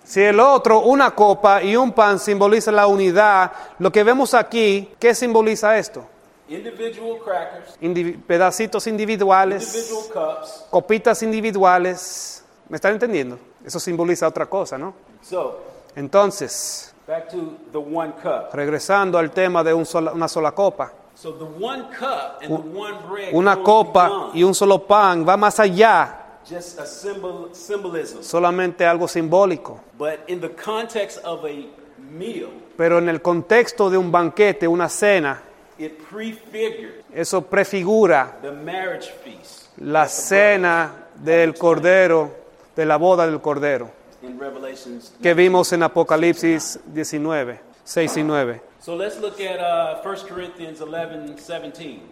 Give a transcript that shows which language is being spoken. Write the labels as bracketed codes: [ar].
[es] Si el otro, una copa y un pan, simboliza la unidad, lo que vemos aquí, ¿qué simboliza esto? [en] Individual crackers, [es] pedacitos individuales, [en] individual cups, [es] copitas individuales. ¿Me están entendiendo? Eso simboliza otra cosa, ¿no? [en] So, [es] entonces, [en] back to the one cup. [es] Regresando al tema de una sola copa. [en] So the one cup and the one bread, [es] una copa y un solo pan va más allá. [en] Just a symbolism. [es] Solamente algo simbólico. [en] But in the context of a meal, [es] pero en el contexto de un banquete, una cena, [en] it prefigured, [es] eso prefigura [en] the marriage feast, [es] la cena del Cordero, de la boda del Cordero, [en] in Revelations [es] que vimos en Apocalipsis 19, 6 y 9. [en] So let's look at 1 Corinthians 11, 17.